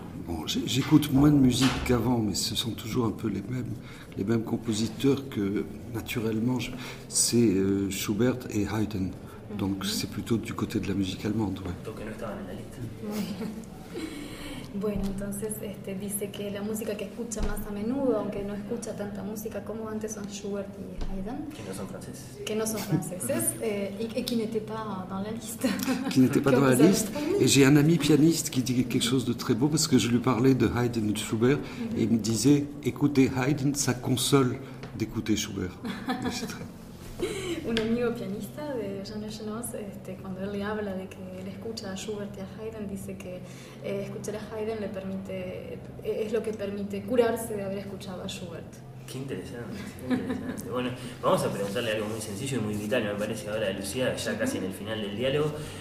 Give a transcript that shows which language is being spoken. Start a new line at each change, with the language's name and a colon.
French: Bon, j'écoute moins de musique qu'avant, mais ce sont toujours un peu les mêmes compositeurs que, naturellement, c'est Schubert et Haydn. Donc, c'est plutôt du côté de la musique allemande. Ouais.
Spanish: Donc, no estaban en la lista. Bueno, entonces este, dice que la música que escucha más a menudo, aunque no escucha tanta música como antes, son Schubert y Haydn. Que no son franceses. Que no son franceses
French: et qui n'étaient pas dans la liste. Qui n'étaient pas dans la liste. Et j'ai un ami pianiste qui dit quelque chose de très beau parce que je lui parlais de Haydn et de Schubert et il me disait, écoutez Haydn, ça console d'écouter Schubert.
Spanish: Un amigo pianista de Jean Echenoz, este, cuando él le habla de que él escucha a Schubert y a Haydn, dice que escuchar a Haydn le permite, es lo que permite curarse de haber escuchado a Schubert. Qué interesante, qué interesante. Bueno, vamos a preguntarle algo muy sencillo y muy vital, me parece ahora a Lucía, ya casi en el final del diálogo.